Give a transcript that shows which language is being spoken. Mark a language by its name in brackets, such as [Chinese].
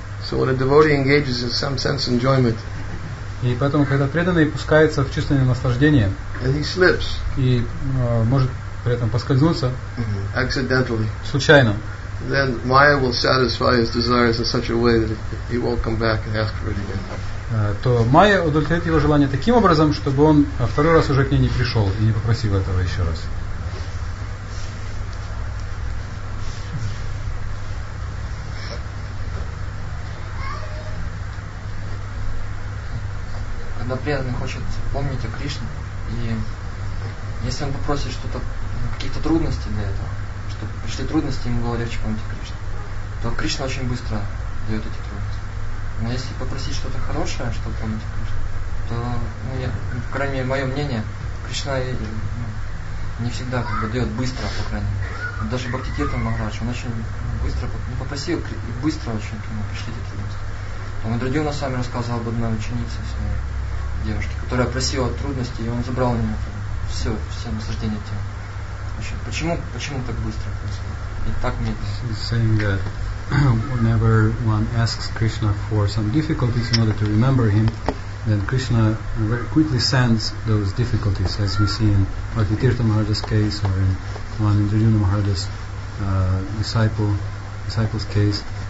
[English] So when a devotee engages in some sense enjoyment, [Russian] и поэтому, когда преданный пускается в чувственное наслаждение, [English] and he slips, [Russian] и может при этом поскользнуться, [English] mm-hmm, accidentally, [Russian] случайно, [English] then Maya will satisfy his desires in such a way that he won't come back and ask for it again. [Russian] То Майя удовлетворит его желание таким образом, чтобы он второй раз уже к ней не пришел и не попросил этого еще раз. Когда преданный хочет помнить о Кришне, и если он попросит что-то, какие-то трудности для этого, чтобы пришли трудности, ему было легче помнить о Кришне, то Кришна очень быстро дает эти трудности. Но если попросить что-то хорошее, чтобы помнить о Кришне, то, ну, я, по крайней мере, мое мнение, Кришна не всегда как бы дает быстро, по крайней мере. Даже Бхактитиртха Махарадж, он очень быстро попросил, и быстро очень к нему пришли эти трудности. А Мудродиона сам рассказывал об одной ученице своей девушке, которая просила трудности, и он забрал у нее все наслаждение тела. Вообще, почему так быстро происходит? И так медленно. [English] Whenever one asks Krishna for some difficulties in order to remember him, then Krishna very quickly sends those difficulties, as we see in Bhaktitirtha Maharaja's case or in Manindrajuna Maharaja's disciple's case.